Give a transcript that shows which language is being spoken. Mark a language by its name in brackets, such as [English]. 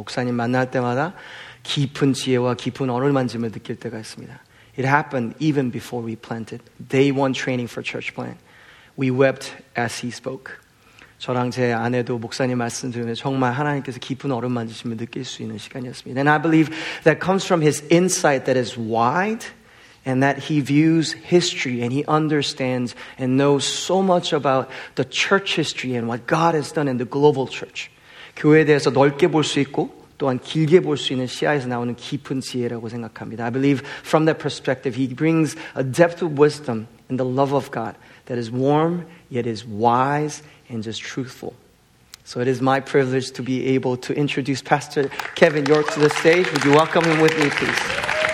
[Korean] 목사님 만날 때마다 깊은 지혜와 깊은 어루만짐을 느낄 때가 있습니다. [English] It happened even before we planted. Day one training for church plant. We wept as he spoke. [Korean] 저랑 제 아내도 목사님 말씀 들으면 정말 하나님께서 깊은 어루만짐을 느낄 수 있는 시간이었습니다. [English] And I believe that comes from his insight that is wide, and that he views history and he understands and knows so much about the church history and what God has done in the global church. [Korean] 교회에 대해서 넓게 볼 수 있고 또한 길게 볼 수 있는 시야에서 나오는 깊은 지혜라고 생각합니다. [English] I believe from that perspective he brings a depth of wisdom and the love of God that is warm yet is wise and just truthful. So it is my privilege to be able to introduce Pastor Kevin York to the stage. Would you welcome him with me, please?